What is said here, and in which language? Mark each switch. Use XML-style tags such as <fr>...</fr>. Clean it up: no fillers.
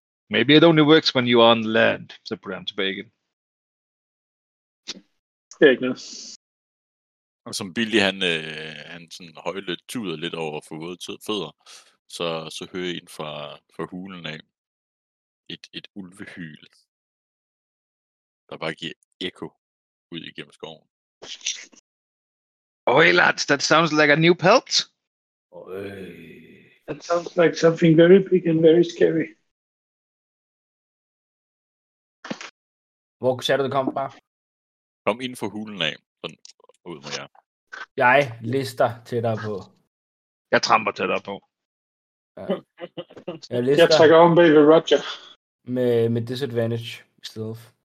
<en>Maybe it only works when you are on land, said Bram to Bacon.</en> <da>Jeg ikke noget. Og som Billy, han sådan højlydt tuder lidt over for våde fødder, så hører ind fra hulen af et ulvehyl, der bare giver ekko ud igennem skoven.</da> <en>Oi, lads, that sounds like a new pelt. Oi. That sounds like something very big and very scary.</en> <da>Hvor sagde du, det kom fra? Kom ind fra hulen af, sådan ud med jer. Jeg lister tættere på. Jeg tramper tættere på. Ja. Jeg trækker om bag ved Roger. Med disadvantage i stedet.</da>